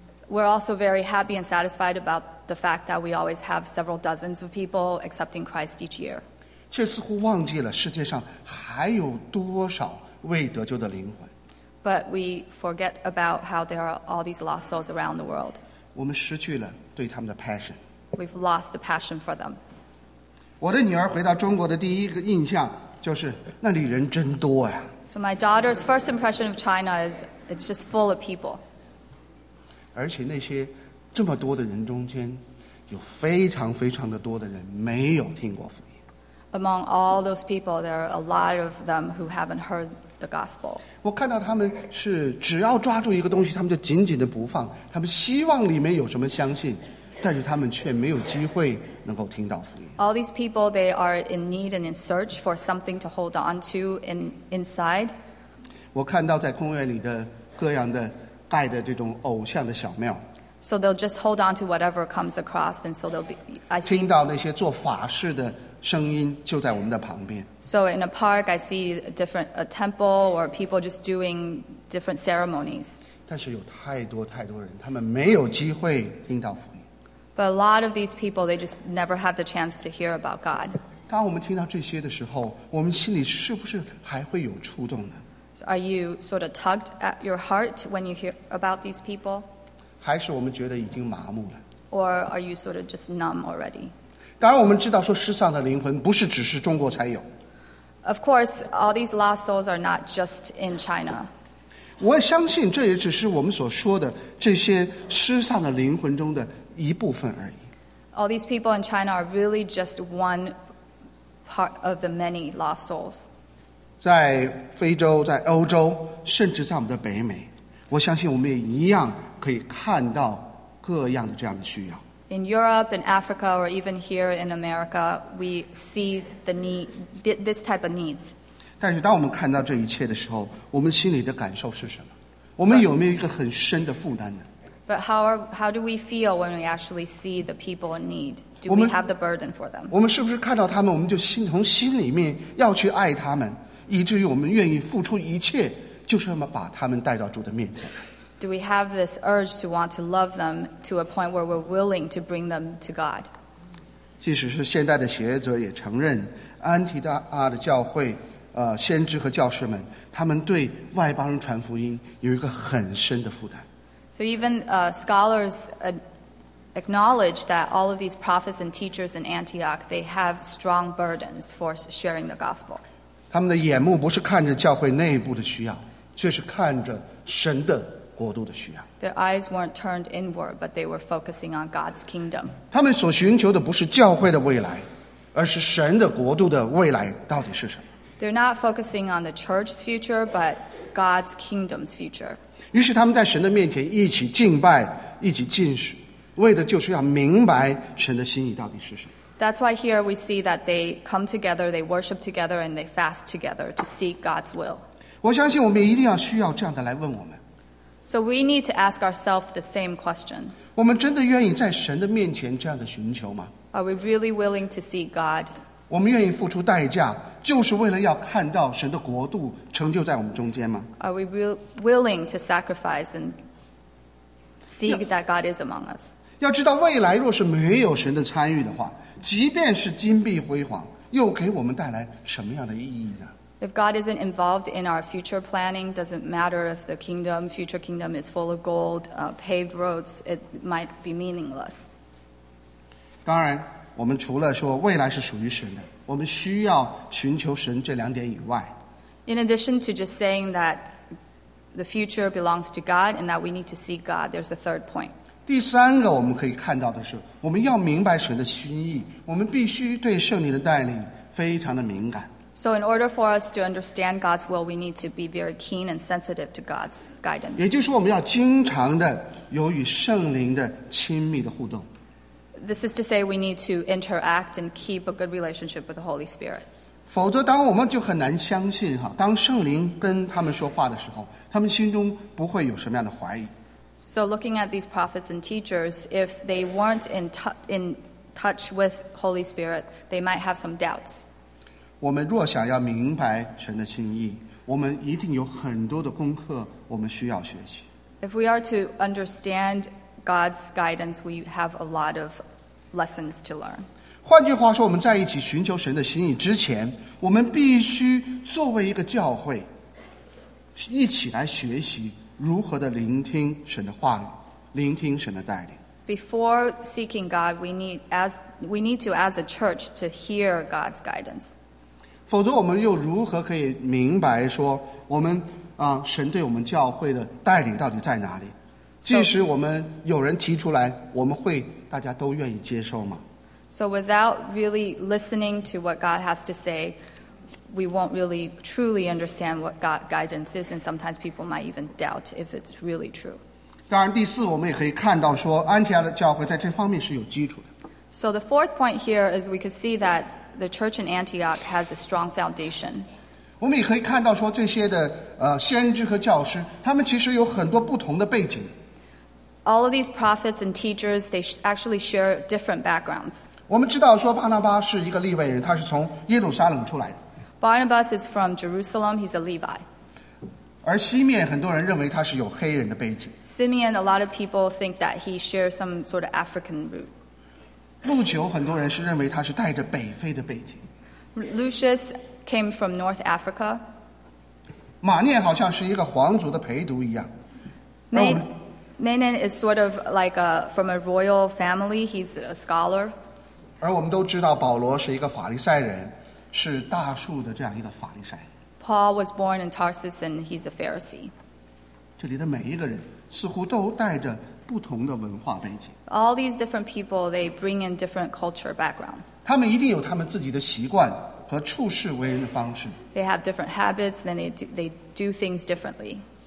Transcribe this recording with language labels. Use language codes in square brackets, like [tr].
[en] We're also very happy and satisfied about the fact that we always have several dozens of people accepting Christ each year. But we forget about how there are all these lost souls around the world. [zh] 我们失去了对他们的 passion. [en] We've lost the passion for them. [zh] 我的女儿回到中国的第一个印象就是那里人真多呀。So [en] my daughter's first impression of China is it's just full of people. [zh] 而且那些这么多的人中间，有非常非常的多的人没有听过福音。 [en] among all those people, there are a lot of them who haven't heard the gospel. [zh] 我看到他们是只要抓住一个东西，他们就紧紧的不放。他们希望里面有什么相信，但是他们却没有机会能够听到福音。 [en] All these people, they are in need and in search for something to hold on to in inside. [zh] 我看到在公园里的各样的拜的这种偶像的小庙。 [en] So they'll just hold on to whatever comes across, and so they'll be. I see, [zh] 听到那些做法事的声音就在我们的旁边。 [en] So in a park, I see a temple or people just doing different ceremonies. [zh] 但是有太多太多人，他们没有机会听到福音。 [en] But a lot of these people, they just never had the chance to hear about God. [zh] 当我们听到这些的时候，我们心里是不是还会有触动呢？ [en] So are you sort of tugged at your heart when you hear about these people? [zh] 还是我们觉得已经麻木了。 [en] Or are you sort of just numb already? [zh] 当然我们知道说失丧的灵魂不是只是中国才有。 [en] Of course, all these lost souls are not just in China. [zh] 我相信这也只是我们所说的这些失丧的灵魂中的一部分而已。 [en] All these people in China are really just one part of the many lost souls. [zh] 在非洲，在欧洲，甚至在我们的北美，我相信我们也一样可以看到各样的这样的需要。 [en] In Europe, in Africa, or even here in America, we see the need, this type of needs. [zh] 但是当我们看到这一切的时候，我们心里的感受是什么？我们有没有一个很深的负担呢？ [en] But how do we feel when we actually see the people in need? Do we have the burden for them? [zh] 我们是不是看到他们，我们就从心里面要去爱他们，以至于我们愿意付出一切，就是把他们带到主的面前？ [en] Do we have this urge to want to love them to a point where we're willing to bring them to God? [zh] 即使是现代的学者也承认，安提阿的教会，先知和教士们，他们对外邦人传福音有一个很深的负担。 [en] So even scholars acknowledge that all of these prophets and teachers in Antioch, they have strong burdens for sharing the gospel. [zh] 他们的眼目不是看着教会内部的需要，却是看着神的。 [en] Their eyes weren't turned inward, but they were focusing on God's kingdom. [zh] 他们所寻求的不是教会的未来，而是神的国度的未来到底是什么。 [en] They're not focusing on the church's future, but God's kingdom's future. [zh] 于是他们在神的面前一起敬拜，一起进食，为的就是要明白神的心意到底是什么。 [en] That's why here we see that they come together, they worship together, and they fast together to seek God's will. [zh] 我相信我们一定要需要这样的来问我们。 [en] So we need to ask ourselves the same question. [zh] 我们真的愿意在神的面前这样的寻求吗？ [en] Are we really willing to seek God? [zh] 我们愿意付出代价，就是为了要看到神的国度成就在我们中间吗？ [en] Are we willing to sacrifice and seek that God is among us? [zh] 要知道未来若是没有神的参与的话，即便是金碧辉煌，又给我们带来什么样的意义呢？ [en] If God isn't involved in our future planning, doesn't matter if the kingdom, future kingdom is full of gold, paved roads, it might be meaningless. [zh] 当然，我们除了说未来是属于神的，我们需要寻求神这两点以外。 [en] In addition to just saying that the future belongs to God and that we need to seek God, there's a third point. [zh] 第三个我们可以看到的是，我们要明白神的心意，我们必须对圣灵的带领非常的敏感。 [en] So in order for us to understand God's will, we need to be very keen and sensitive to God's guidance. [zh] 也就是我们要经常的有与圣灵的亲密的互动。 [en] This is to say we need to interact and keep a good relationship with the Holy Spirit. [zh] 否则当我们就很难相信哈，当圣灵跟他们说话的时候，他们心中不会有什么样的怀疑。 [en] So looking at these prophets and teachers, if they weren't in touch with Holy Spirit, they might have some doubts. [zh] 我们若想要明白神的心意，我们一定有很多的功课我们需要学习。 [en] If we are to understand God's guidance, we have a lot of lessons to learn. [zh] 换句话说，我们在一起寻求神的心意之前，我们必须作为一个教会，一起来学习如何的聆听神的话语，聆听神的带领。 [en] Before seeking God, we need to, as a church, to hear God's guidance. [zh] 否则我们又如何可以明白说我们神对我们教会的带领到底在哪里？即使我们有人提出来，我们会大家都愿意接受吗 [en] So without really listening to what God has to say, we won't really truly understand what God's guidance is, and sometimes people might even doubt if it's really true. [zh] 当然第四, 我们也可以看到说, 安提阿的教会在这方面是有基础的。 [en] So the fourth point here is we could see that the church in Antioch has a strong foundation. [zh] 我们也可以看到说这些的, 先知和教师, 他们其实有很多不同的背景。 [en] All of these prophets and teachers, they actually share different backgrounds. [zh] 我们知道说巴拿巴是一个利未人, 他是从耶路撒冷出来的。 [en] Barnabas is from Jerusalem, he's a Levi. [zh] 而西面很多人认为他是有黑人的背景。 [en] Simeon, a lot of people think that he shares some sort of African root. [zh] 路九很多人是认为他是带着北非的背景。 [en] Lucius came from North Africa. [zh] 马念好像是一个皇族的陪读一样。 [en] Manan is sort of like from a royal family, he's a scholar. [zh] 而我们都知道保罗是一个法利赛人。是大树的这样一个法利赛。 [en] Paul was born in Tarsus and he's a Pharisee. [zh] 这里的每一个人似乎都带着不同的文化背景。 [en] All these different people, they bring in different culture background. [zh] 他们一定有他们自己的习惯和处事为人的方式。 [en] They have different habits and they do things differently.